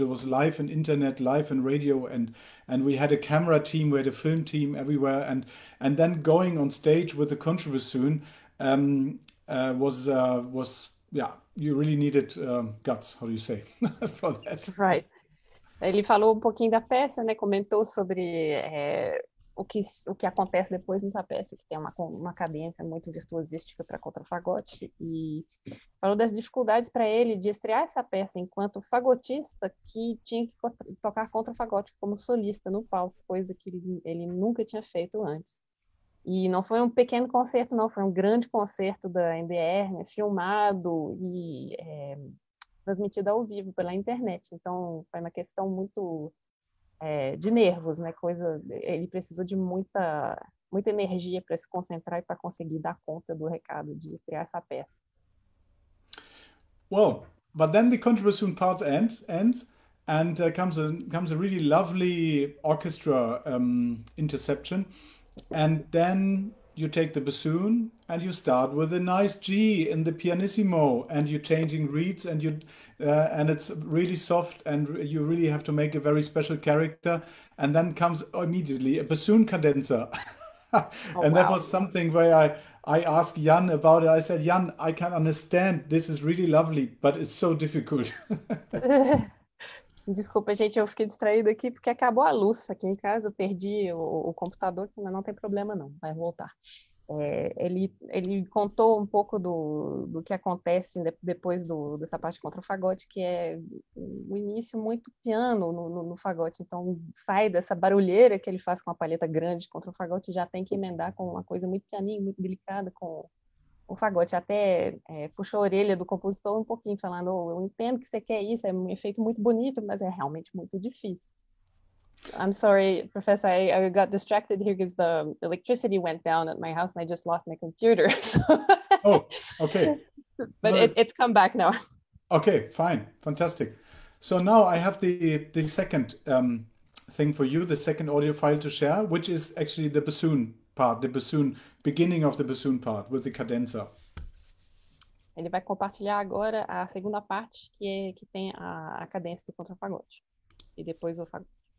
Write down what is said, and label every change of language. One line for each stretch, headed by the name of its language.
English: It was live and internet, live and radio. And we had a camera team, we had a film team everywhere. And then going on stage with the contrabassoon was you really needed guts, how do you say, for that. Right.
Portuguese: Ele falou um pouquinho da peça, né? Comentou sobre o que acontece depois dessa peça, que tem uma cadência muito virtuosística para contrafagote, e falou das dificuldades para ele de estrear essa peça enquanto fagotista, que tinha que tocar contrafagote como solista no palco, coisa que ele nunca tinha feito antes. E não foi um pequeno concerto, não, foi um grande concerto da NDR, né? Filmado e transmitido ao vivo pela internet. Então, foi uma questão muito de nervos, né? Coisa, ele precisou de muita energia para se concentrar e para conseguir dar conta do recado de estrear essa peça.
English: Well, but then the contribution part ends and comes a really lovely orchestra interception. And then you take the bassoon and you start with a nice G in the pianissimo and you're changing reeds and and it's really soft and you really have to make a very special character. And then comes immediately a bassoon cadenza. Oh, and wow. That was something where I asked Jan about it. I said, Jan, I can understand. This is really lovely, but it's so difficult.
Portuguese: Desculpa, gente, eu fiquei distraída aqui porque acabou a luz aqui em casa, eu perdi o computador, mas não tem problema não, vai voltar. Ele contou um pouco do que acontece depois dessa parte contra o fagote, que é um início muito piano no fagote, então sai dessa barulheira que ele faz com a palheta grande contra o fagote, já tem que emendar com uma coisa muito pianinha, muito delicada com... O fagote até puxou a orelha do compositor um pouquinho, falando, oh, eu entendo que você quer isso, é um efeito muito bonito, mas é realmente muito difícil.
English: I'm sorry, professor, I got distracted here because the electricity went down at my house and I just lost my computer. So... Oh, okay. But no. it's come back now. Okay, fine, fantastic. So now I have the second thing for you, the second audio file to share, which is actually the bassoon. Part, the bassoon, beginning of the bassoon part with the cadenza.
Portuguese: Ele vai compartilhar agora a segunda parte que tem a cadência do contrafagote e depois o fagote.